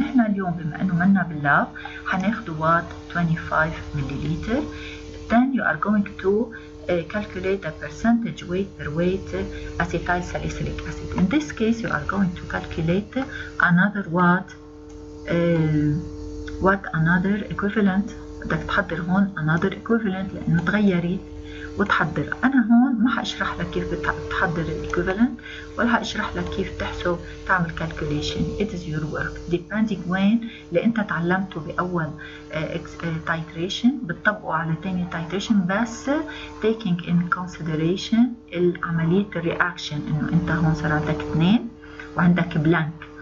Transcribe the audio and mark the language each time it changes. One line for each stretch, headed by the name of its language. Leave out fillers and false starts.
Arabic: نحن اليوم بما انه منا باللاب حناخذ وات 25 ملليلتر.
English: then you are going to calculate the percentage weight per weight acetyl salicylic acid. in this case you are going to calculate another what another equivalent.
Arabic: بدك تحضر هون another equivalent لأنه تغيرت وتحضر. أنا هون ما هشرح لك كيف بتحضر equivalent ولا هشرح لك كيف تحسب تعمل calculation.
English: it is your work depending when
Arabic: اللي انت تعلمته بأول titration بتطبقه على تاني titration بس
English: taking in consideration
Arabic: العملية reaction انه انت هون صار عندك اثنين وعندك blank.